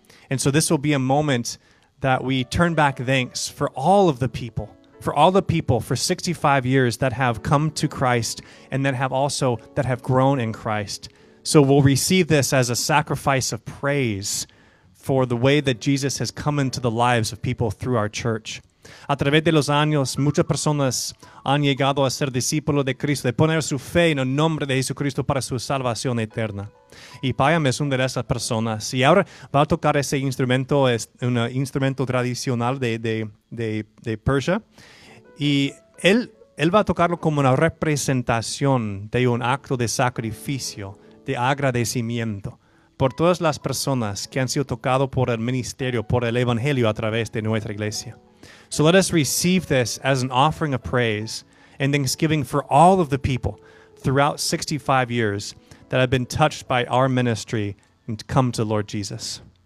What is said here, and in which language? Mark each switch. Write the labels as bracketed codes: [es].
[en] And so this will be a moment that we turn back thanks for all of the people, for all the people for 65 years that have come to Christ and that have also that have grown in Christ. So we'll receive this as a sacrifice of praise for the way that Jesus has come into the lives of people through our church. [es] A través de los años, muchas personas han llegado a ser discípulos de Cristo, de poner su fe en el nombre de Jesucristo para su salvación eterna. Y Payam es una de esas personas. Y ahora va a tocar ese instrumento, es un instrumento tradicional de Persia. Y él va a tocarlo como una representación de un acto de sacrificio, de agradecimiento por todas las personas que han sido tocado por el ministerio, por el evangelio a través de nuestra iglesia. [en] So let us receive this as an offering of praise and thanksgiving for all of the people throughout 65 years that have been touched by our ministry and come to Lord Jesus.